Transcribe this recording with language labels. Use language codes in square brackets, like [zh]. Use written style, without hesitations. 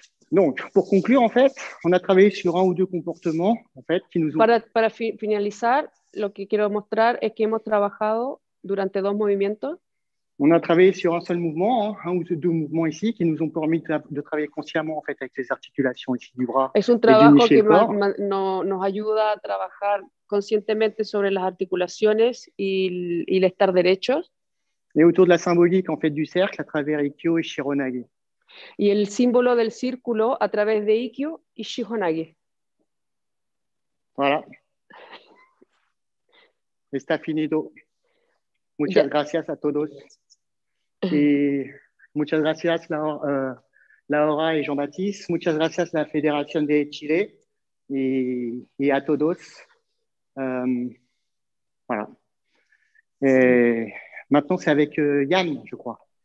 [fr] Donc, pour conclure, en fait, on a travaillé sur un ou deux comportements, en fait, qui nous ont... [es] Para finalizar, lo que quiero mostrar es que hemos trabajado durante dos movimientos. [fr] On a travaillé sur un seul mouvement, hein, un ou deux mouvements ici, qui nous ont permis de travailler consciemment, en fait, avec les articulations ici du bras. [es] Es un trabajo que nos ayuda a trabajar conscientemente sobre las articulaciones y el estar derechos. [fr] Et autour de la symbolique, en fait, du cercle, à travers Ikkyo et Shironage. [es] Y el símbolo del círculo a través de Ikkyo y Shihonage. [fr] Voilà. [es] Está finito. Muchas gracias a todos. Y Muchas gracias, Laura y Jean-Baptiste. Muchas gracias a la Federación de Chile y a todos. [fr] Voilà. Maintenant, c'est avec Yann, je crois.